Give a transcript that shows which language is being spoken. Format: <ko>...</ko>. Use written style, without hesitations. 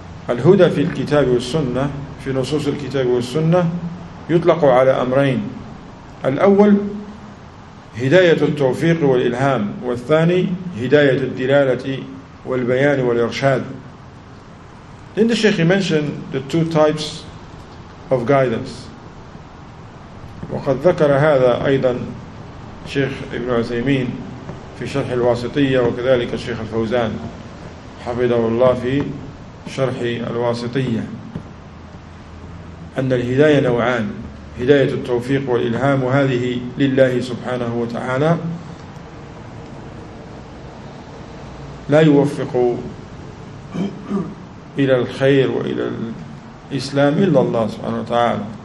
<ar>الهدى في الكتاب والسنة في نصوص الكتاب والسنة يطلق على أمرين. الأول هداية التوفيق والإلهام، والثاني هداية الدلالة والبيان والإرشاد.</ar> <en>Then the Sheikh mentioned the two types of guidance.</en> <ar>وقد ذكر هذا أيضا شيخ ابن عثيمين في شرح الواسطية، وكذلك الشيخ الفوزان حفظه الله في شرح الواسطية، أن الهداية نوعان: هداية التوفيق والإلهام، وهذه لله سبحانه وتعالى، لا يوفق إلى الخير وإلى الإسلام إلا الله سبحانه وتعالى.</ar>